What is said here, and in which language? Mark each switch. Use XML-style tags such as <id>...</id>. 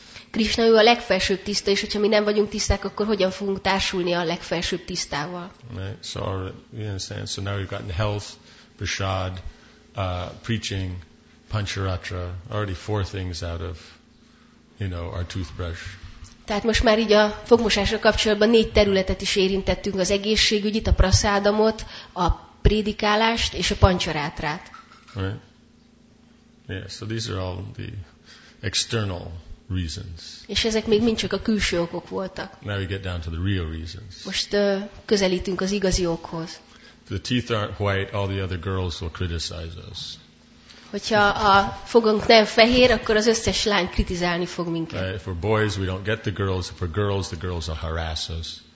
<hu>Krishna ő a legfelsőbb tiszta, és hogyha mi nem vagyunk tiszták, akkor hogyan fogunk társulni a legfelsőbb tisztával?</hu> <en>Right. So, you understand? So now we've got health, prasad, preaching, pancharatra, already four things out of, you know, our toothbrush.</en> <hu>Tehát most már így a fogmosásra kapcsolatban négy területet is érintettünk, az egészségügyit, a prasadamot, a prédikálást és a pancharatrát.</hu> <en>Right. Yeah, so these are all the external reasons.</en> <hu>És ezek még mind csak a külső okok voltak.</hu> <en>Now we get down to the real reasons.</en> <hu>Most közelítünk az igazi okhoz.</hu> <en>If the teeth aren't white, all the other girls will criticize us.</en> <hu>Hogyha a fogunk nem fehér, akkor az összes lány kritizálni fog minket.</hu> <en>If we're boys, we don't get the girls. If we're girls, the girls will harass us.</en>